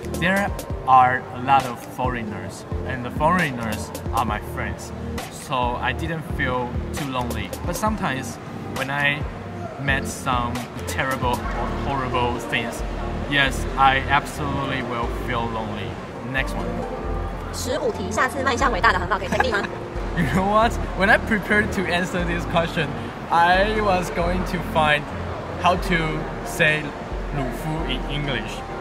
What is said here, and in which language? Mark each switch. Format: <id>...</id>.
<en>There are a lot of foreigners, and the foreigners are my friends. So I didn't feel too lonely. But sometimes when I met some terrible or horrible things, yes, I absolutely will feel lonely. Next one.</en> <zh>15题，下次迈向伟大的航道可以确定吗？</zh> <en>You know what? When I prepared to answer this question, I was going to find how to say鲁夫 in English.</en>